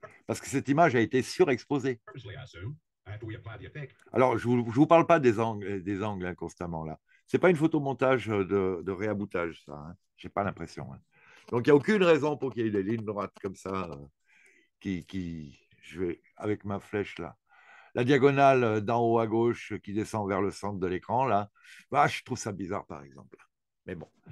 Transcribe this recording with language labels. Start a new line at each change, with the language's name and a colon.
French: Parce que cette image a été surexposée.
English: Purposely, I assume, after we apply the effect.
French: Alors, je ne vous parle pas des angles hein, constamment, là. Ce n'est pas une photomontage de réaboutage, ça. Hein. Je n'ai pas l'impression. Hein. Donc, il n'y a aucune raison pour qu'il y ait des lignes droites comme ça. Qui je vais avec ma flèche là. la diagonale d'en haut à gauche qui descend vers le centre de l'écran, là, bah, je trouve ça bizarre, par exemple. Mais bon.